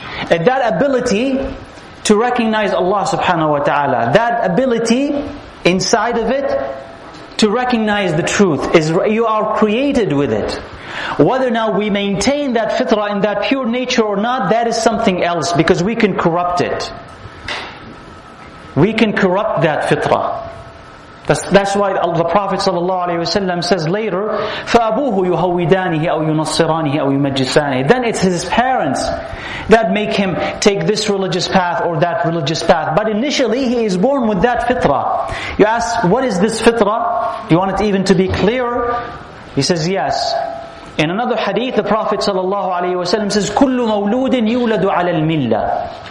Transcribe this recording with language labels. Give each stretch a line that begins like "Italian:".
English: And that ability to recognize Allah subhanahu wa ta'ala, that ability inside of it to recognize the truth, is you are created with it. Whether now we maintain that fitrah in that pure nature or not, that is something else, because we can corrupt it. We can corrupt that fitrah. That's why the Prophet ﷺ says later,
Arabic: فَأَبُوهُ يُهَوِّدَانِهِ أَوْ يُنَصِّرَانِهِ أَوْ يُمَجِّسَانِهِ.
English: Then it's his parents that make him take this religious path or that religious path. But initially he is born with that fitrah. You ask, what is this fitrah? Do you want it even to be clear? He says, yes. In another hadith, the Prophet ﷺ says,
Arabic: كُلُّ مَوْلُودٍ يُولَدُ عَلَى الْمِلَّةِ.